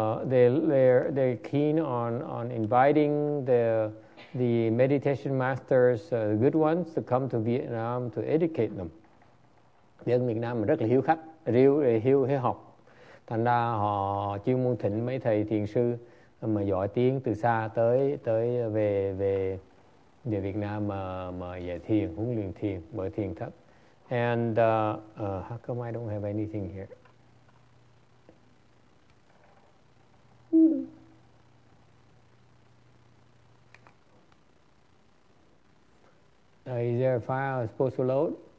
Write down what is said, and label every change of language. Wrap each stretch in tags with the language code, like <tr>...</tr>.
<en>They're keen on inviting the meditation masters, the good ones, to come to Vietnam to educate them.</en> <vi>Dân Việt Nam rất là hiếu khách, rêu hiếu hiếu học. Thành ra họ chuyên môn thỉnh mấy thầy thiền sư mà giỏi tiếng từ xa tới về Việt Nam mà dạy thiền, huấn luyện thiền, mở thiền thất.</vi> <en>And how come I don't have anything here? Is there a file I'm supposed to load?</en>